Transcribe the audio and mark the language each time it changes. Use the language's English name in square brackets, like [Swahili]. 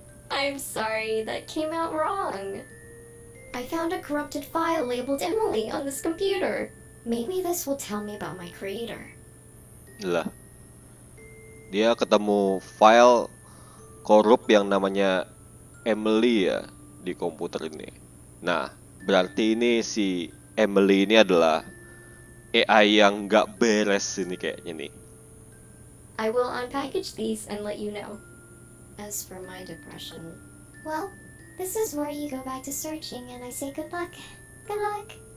[English] I'm sorry, that came out wrong. I found a corrupted file labeled Emily on this computer. Maybe this will tell me about my creator. Lah. [Indonesian] Dia ketemu file korup yang namanya Emily ya di komputer ini. Nah, berarti ini si Emily ini adalah AI yang enggak beres ini kayaknya nih. [English] I will unpackage these and let you know. As for my depression, well, this is where you go back to searching, and I say good luck. Good luck!